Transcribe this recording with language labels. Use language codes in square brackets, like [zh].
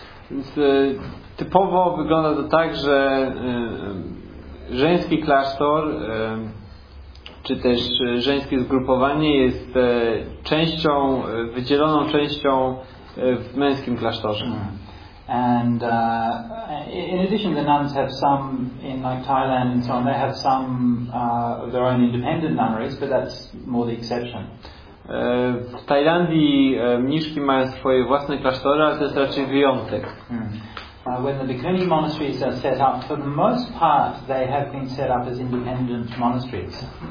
[pl] Więc typowo wygląda to tak, że żeński klasztor czy też żeńskie zgrupowanie jest częścią, wydzieloną częścią w męskim klasztorze. [en] And in addition, the nuns have some in like Thailand and so on. They have some of their own independent nunneries, but that's more the exception. [pl] W Tajlandii mniszki mają swoje własne klasztory, ale to jest raczej wyjątek. [en] When the bhikkhuni monasteries are set up, for the most part, they have been set up as independent monasteries.